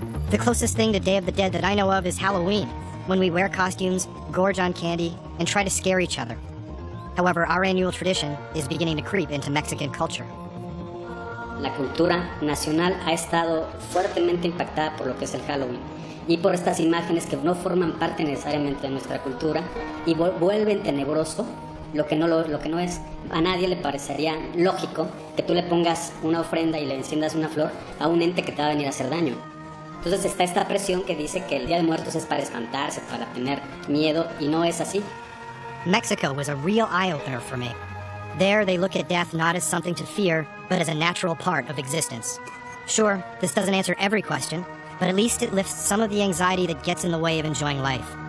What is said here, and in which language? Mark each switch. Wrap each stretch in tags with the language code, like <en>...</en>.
<en>The closest thing to Day of the Dead that I know of is Halloween, when we wear costumes, gorge on candy, and try to scare each other. However, our annual tradition is beginning to creep into Mexican culture.</en> <es>La cultura nacional ha estado fuertemente impactada por lo que es el Halloween. Y por estas imágenes que no forman parte necesariamente de nuestra cultura y vuelven tenebroso lo que no es. A nadie le parecería lógico que tú le pongas una ofrenda y le enciendas una flor a un ente que te va a venir a hacer daño. Entonces está esta presión que dice que el Día de Muertos es para espantarse, para tener miedo, y no es así.</es> <en>Mexico was a real eye-opener for me. There they look at death not as something to fear, but as a natural part of existence. Sure, this doesn't answer every question, but at least it lifts some of the anxiety that gets in the way of enjoying life.</en>